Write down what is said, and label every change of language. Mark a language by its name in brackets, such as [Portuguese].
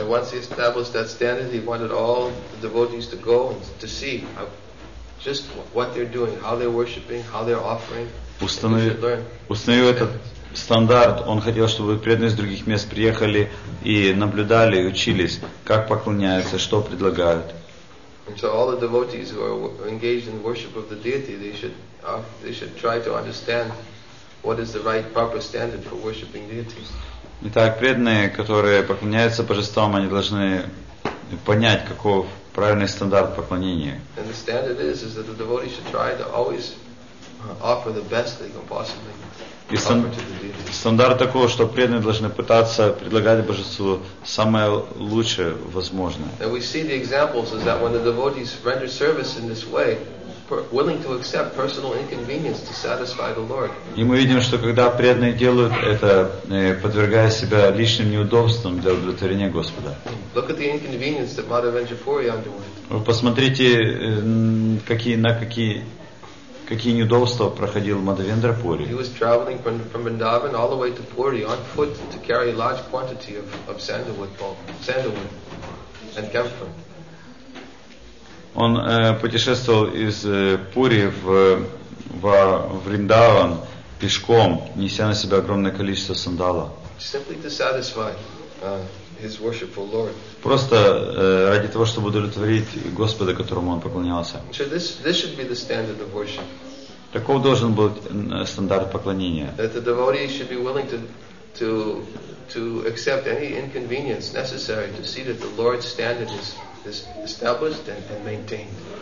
[English] And once he established that standard, he wanted all the devotees to go and to see how, just what they're doing, how they're worshiping, how they're offering. [Russian] Установил этот стандарт, он хотел, чтобы преданные из других мест приехали и наблюдали, и учились, как поклоняются, что предлагают. [English] And so all the devotees who are engaged in worship of the deity, they should try to understand what is the right proper standard for worshiping deities. [Russian] Итак, преданные, которые поклоняются божествам, они должны понять, каков правильный стандарт поклонения. [English] And the standard is that the devotee should try to always offer the best they can possibly offer to the deity. [Russian] Стандарт такой, что преданные должны пытаться предлагать божеству самое лучшее возможное. [English] And we see the examples is that when the devotees render service in this way, willing to accept personal inconvenience to satisfy the Lord. [Russian] И мы видим, что когда преданные делают это, подвергая себя лишним неудобствам для удовлетворения Господа. [English] Look at the inconvenience that Madhavendra Puri underwent. [Russian] Вы посмотрите, какие неудобства проходил Мадхавендра Пури. [English] He was traveling from Vrindavan all the way to Puri on foot to carry a large quantity of sandalwood pulp, sandalwood and camphor. [Russian] Он путешествовал из Пури в Вриндаван пешком, неся на себя огромное количество сандала. [English] Simply to satisfy his worshipful Lord. [Russian] Просто ради того, чтобы удовлетворить Господа, которому он поклонялся. [English] So this should be the standard of worship. [Russian] Таков должен быть стандарт поклонения. [English] That the devotee should be willing to accept any inconvenience necessary to see that the Lord's standard is established and maintained.